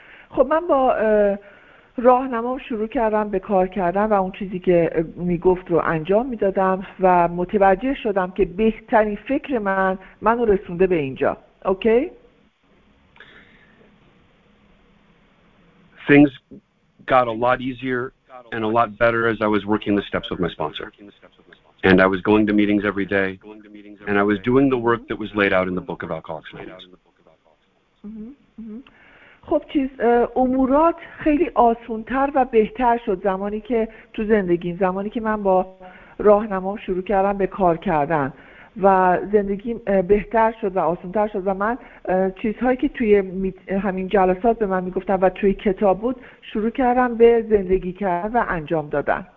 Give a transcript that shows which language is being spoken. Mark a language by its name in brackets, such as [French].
[Persian] خب من با راهنمام شروع کردم به کار کردن و اون چیزی که میگفت رو انجام میدادم و متوجه شدم که بهترین فکر من منو رسونده به اینجا. [English] Okay? Things got a lot easier and a lot better as I was working the steps with my sponsor. And I was going to meetings every day and I was doing the work that was laid out in the book of Alcoholics Anonymous. [Persian] خب چیز امورات خیلی آسان‌تر و بهتر شد زمانی که تو زندگیم زمانی که من با راهنمام شروع کردم به کار کردن و زندگیم بهتر شد و آسان‌تر شد و من چیزهایی که توی همین جلسات به من میگفتن و توی کتاب بود شروع کردم به زندگی کردن و انجام دادن.